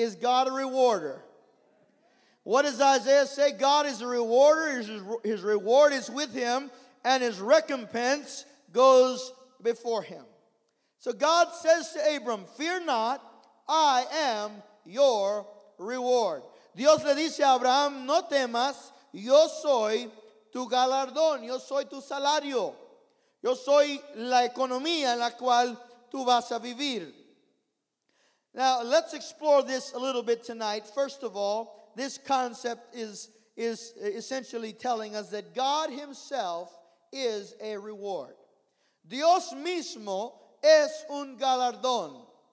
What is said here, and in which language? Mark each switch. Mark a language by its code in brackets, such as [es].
[en] Is God a rewarder? What does Isaiah say? God is a rewarder. His reward is with him, and his recompense goes before him. So God says to Abram, fear not, I am your reward. [es] Dios le dice a Abraham, no temas, yo soy tu galardón, yo soy tu salario, yo soy la economía en la cual tú vas a vivir. [en] Now, let's explore this a little bit tonight. First of all, this concept is essentially telling us that God himself is a reward. [es] Dios mismo es un galardón.